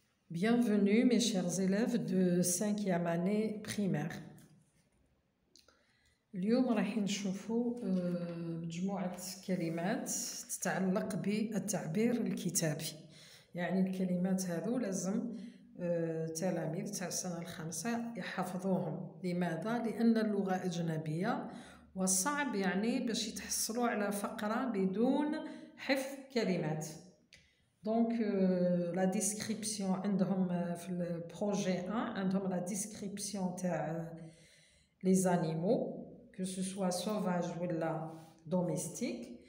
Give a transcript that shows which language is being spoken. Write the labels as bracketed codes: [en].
[fr] Bienvenue, mes chers élèves de cinquième année primaire. [ar] اليوم راح نشوفوا مجموعة كلمات تتعلق بالتعبير الكتابي. يعني الكلمات هذو لازم تلاميذ تاع السنة الخامسة يحفظوهم. لماذا؟ لأن اللغة أجنبية وصعب يعني باش يتحصلوا على فقرة بدون حفظ كلمات. [fr] Donc la description [ar] عندهم في البروجي 1 عندهم [fr] la description [ar] تاع [fr] les animaux que ce soit sauvage ou la domestique.